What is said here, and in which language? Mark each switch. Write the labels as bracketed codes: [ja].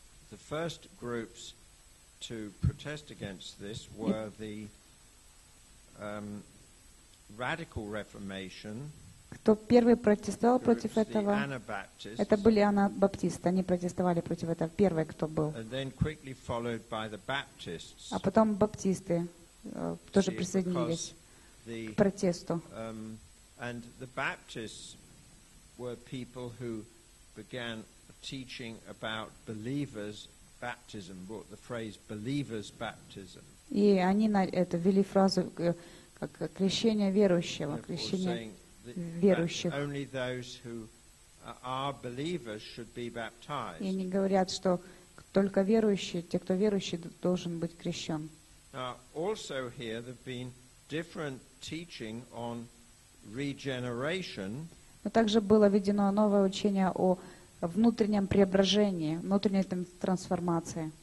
[en] The first groups to protest against this were the Radical Reformation. [ru] Кто первый протестовал против этого? Это были анабаптисты. Они протестовали против этого. Первый, кто был. [en] And then quickly followed by the Baptists. [ru] А потом баптисты тоже присоединились к протесту. [en] And the Baptists were people who began teaching about believers' baptism, brought the phrase believers' baptism. [ru] И они на это ввели фразу. Как крещение верующего, крещение верующих. [en] Only those who are believers should be baptized. [ru] И они говорят, что только верующие, те, кто верующий, должен быть крещен. [en] Also here there've been different teaching on regeneration. [ru] Но также было введено новое учение о внутреннем преображении, внутренней трансформации.